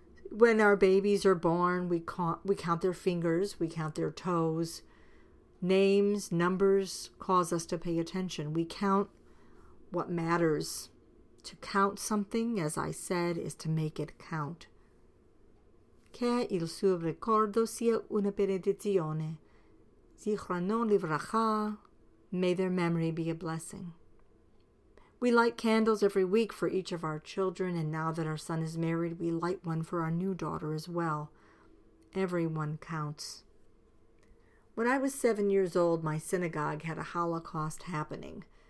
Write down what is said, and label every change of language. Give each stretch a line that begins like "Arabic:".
English: When our babies are born, we count their fingers, we count their toes. Names, numbers cause us to pay attention. We count what matters. To count something, as I said, is to make it count.
Italian: Che il suo ricordo sia una benedizione.
Hebrew: Zichrono livracha.
English: May their memory be a blessing. We light candles every week for each of our children, and now that our son is married, we light one for our new daughter as well. Everyone counts. When I was 7 years old, my synagogue had a Holocaust happening.